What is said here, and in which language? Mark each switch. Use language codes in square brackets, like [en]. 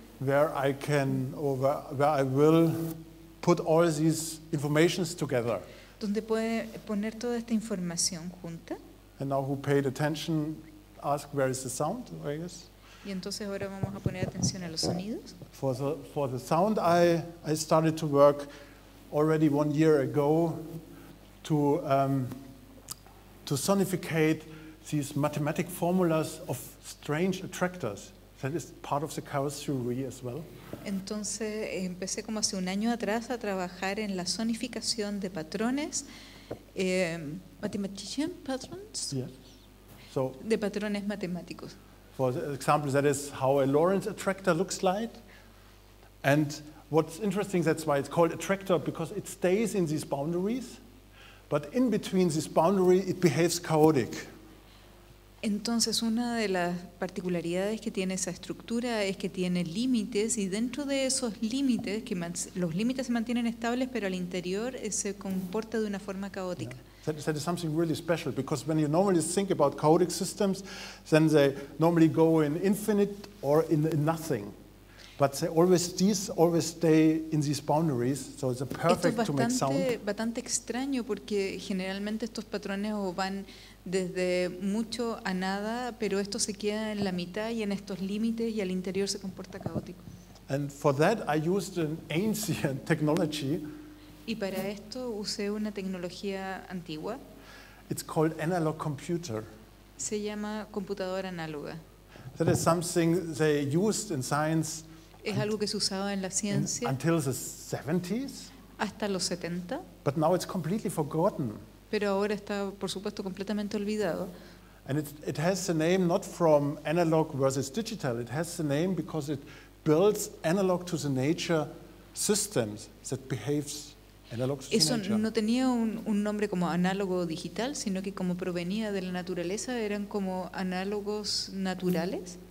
[en] Where I can, or where I will put all these informations together. [es] Donde puede poner toda esta información junta. [en] And now who paid attention, ask where is the sound, I guess. [es] Y entonces ahora vamos a poner atención a los sonidos. [en] For the sound, I started to work already 1 year ago. to sonificate these mathematical formulas of strange attractors. That is part of the chaos theory as well. [es] Entonces empecé como hace un año atrás a trabajar en la sonificación de patrones, [en] mathematician patterns. Yes. So. [es] De patrones matemáticos. [en] For example, that is how a Lorentz attractor looks like. And what's interesting, that's why it's called attractor, because it stays in these boundaries, but in between this boundary, it behaves chaotic. [es] Entonces, una de las particularidades que tiene esa estructura es que tiene límites, y dentro de esos límites, que los límites se mantienen estables, pero al interior se comporta de una forma caótica. [en] Yeah. That is something really special, because when you normally think about chaotic systems, then they normally go in infinite or in nothing. But they always stay in these boundaries, so it's a perfect to make sound. [es] Esto es bastante extraño porque generalmente estos patrones van desde mucho a nada, pero esto se queda en la mitad y en estos límites y al interior se comporta caótico. [en] And for that I used an ancient technology. [es] Y para esto usé una tecnología antigua. [en] It's called analog computer. [es] Se llama computadora análoga. [en] That is something they used in science. [es] Es algo que se usaba en la ciencia [en] until the 70s, [es] hasta los 70. [en] But now it's completely forgotten. [es] Pero ahora está, por supuesto, completamente olvidado. [en] And it has the name not from analog versus digital. It has the name because it builds analog to the nature systems that behaves analog to [es] Eso [en] nature. [es] Eso no tenía un nombre como análogo digital, sino que como provenía de la naturaleza eran como análogos naturales.